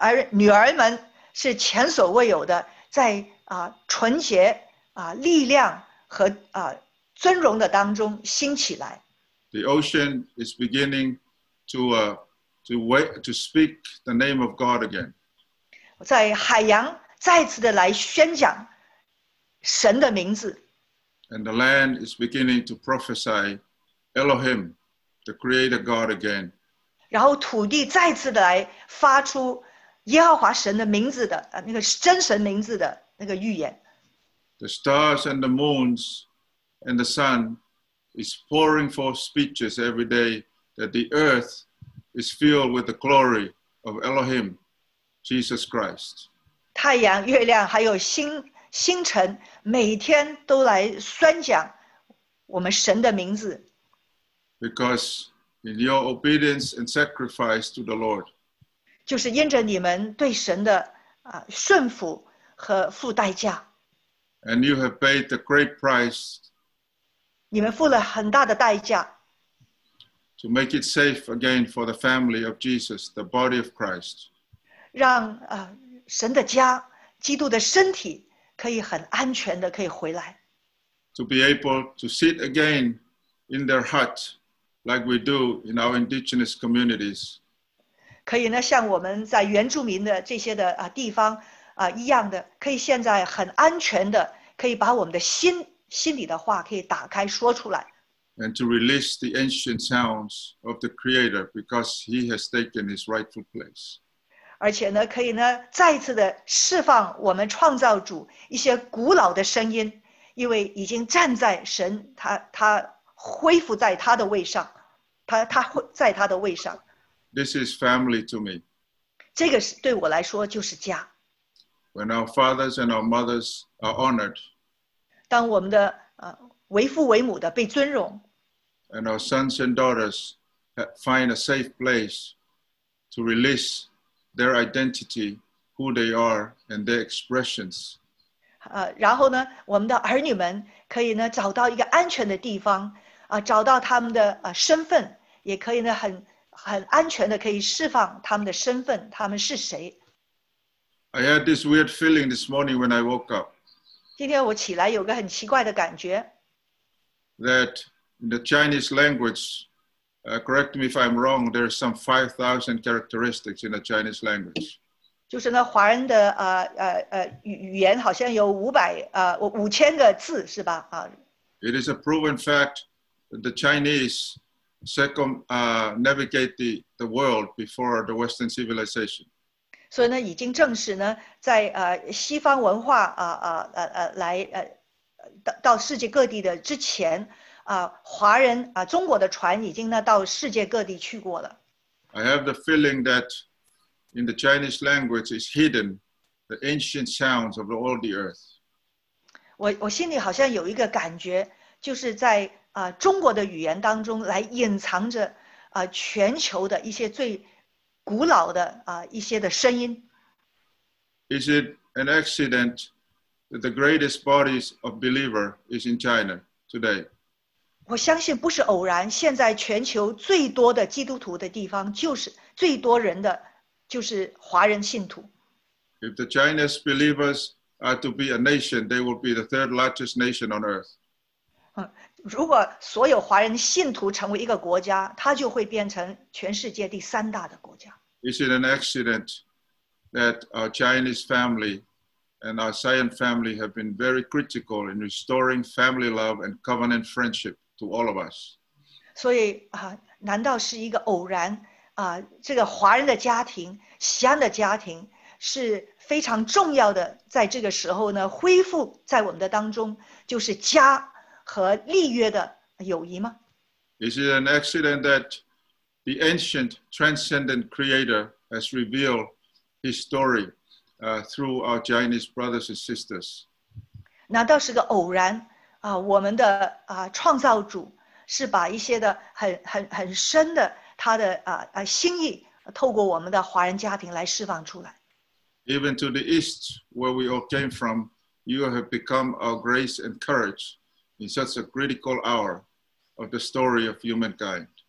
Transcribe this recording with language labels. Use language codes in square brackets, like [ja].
[zh] 女儿们是前所未有的，在纯洁力量和尊荣的当中兴起来。 [en] The ocean is beginning to speak the name of God again. [zh] 在海洋再次的来宣讲神的名字。 [en] And the land is beginning to prophesy Elohim, the Creator God again. [zh] 然后土地再次的来发出耶和华神的名字的那个真神名字的那个预言。 [en] the stars and the moons and the sun is pouring forth speeches every day, that the earth is filled with the glory of Elohim, Jesus Christ. [zh] 太阳、月亮还有星星辰，每天都来宣讲我们神的名字。 [en] Because in your obedience and sacrifice to the Lord, [zh] 就是因着你们对神的顺服和付代价。 [en] And you have paid the great price. [zh] 你们付了很大的代价。 [en] To make it safe again for the family of Jesus, the body of Christ. [zh] 让神的家，基督的身体。可以很安全的可以回来。 [en] To be able to sit again in their hut, like we do in our indigenous communities. [zh] 可以呢，像我们在原住民的这些的地方一样的，可以现在很安全的可以把我们的心里的话可以打开说出来。 [en] And to release the ancient sounds of the Creator, because He has taken His rightful place. [zh] 而且呢，可以呢，再次的释放我们创造主一些古老的声音，因为已经站在神他恢复在他的位上，他在他的位上。 [en] This is family to me. [zh] 这个是对我来说就是家。 [en] When our fathers and our mothers are honored. [zh] 当我们的为父为母的被尊荣。 [en] And our sons and daughters find a safe place to release. Their identity, who they are, and their expressions. [zh] 然后呢，我们的儿女们可以呢找到一个安全的地方，找到他们的身份，也可以呢很安全的可以释放他们的身份，他们是谁。 [en] I had this weird feeling this morning when I woke up. [zh] 今天我起来有个很奇怪的感觉。 [en] That in the Chinese language. Correct me if I'm wrong, there are some 5,000 characteristics in the Chinese language. [zh] 就是那华人的语言好像有5,000个字是吧、 [en] It is a proven fact that the Chinese navigate the world before the Western civilization. [zh] 所以呢已经证实呢在西方文化来到世界各地的之前华人中国的船已经呢到世界各地去过了。 [en] I have the feeling that in the Chinese language is hidden the ancient sounds of all the earth. [zh] 我心里好像有一个感觉，就是在中国的语言当中来隐藏着全球的一些最古老的一些的声音。 [en] Is it an accident that the greatest bodies of believer is in China today? [zh] 我相信不是偶然，现在全球最多的基督徒的地方就是最多人的就是华人信徒。 [en] If the Chinese believers are to be a nation, they will be the third largest nation on earth. [zh] 如果所有华人信徒成为一个国家，它就会变成全世界第三大的国家。 [en] Is it an accident that our Chinese family and our Zion family have been very critical in restoring family love and covenant friendship? To all of us. [zh] 所以难道是一个偶然这个华人的家庭，西安的家庭是非常重要的，在这个时候呢，恢复在我们的当中，就是家和立约的友谊吗？ [en] Is it an accident that the ancient transcendent creator has revealed his story through our Chinese brothers and sisters? [zh] 难道是个偶然？我们的创造主是把一些的很深的他的心意透过我们的华人家庭来释放出来。 [en] Even to the east where we all came from, you have become our grace and courage in such a critical hour of the story of humankind.